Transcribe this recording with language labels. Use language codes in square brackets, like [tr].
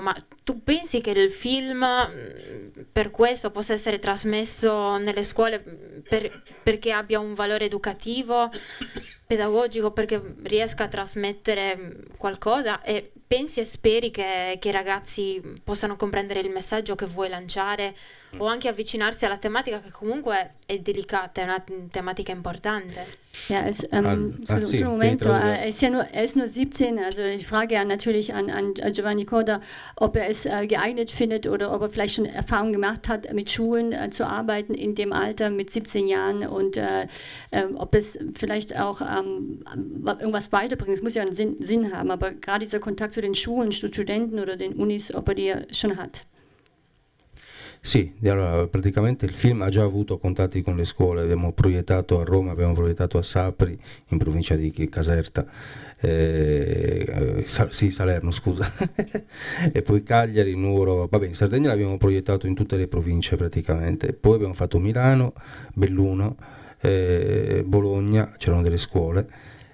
[it] Ma tu pensi che il film per questo possa essere trasmesso nelle scuole perché abbia un valore educativo, pedagogico, perché riesca a trasmettere qualcosa? E pensi e speri che i ragazzi possano comprendere il messaggio che vuoi lanciare o anche avvicinarsi alla tematica che comunque è delicata, è una tematica importante? [de] Ja, Ah, [it] scusa, sì, un devi momento, tradurre. [de] er ist nur 17, also die Frage natürlich an Giovanni Corda, ob er es geeignet findet oder ob er vielleicht schon Erfahrung gemacht hat, mit Schulen zu arbeiten in dem Alter mit 17 Jahren und ob es vielleicht auch irgendwas weiterbringt. Es muss ja einen Sinn haben, aber gerade dieser Kontakt zu den Schulen, zu Studenten oder den Unis, ob er die schon hat. [it] Sì, allora, praticamente il film ha già avuto contatti con le scuole, abbiamo proiettato a Roma, abbiamo proiettato a Sapri, in provincia di Caserta, sì, Salerno, scusa, e poi Cagliari, Nuoro, vabbè, in Sardegna l'abbiamo proiettato in tutte le province praticamente, poi abbiamo fatto Milano, Belluno, Bologna, c'erano delle scuole.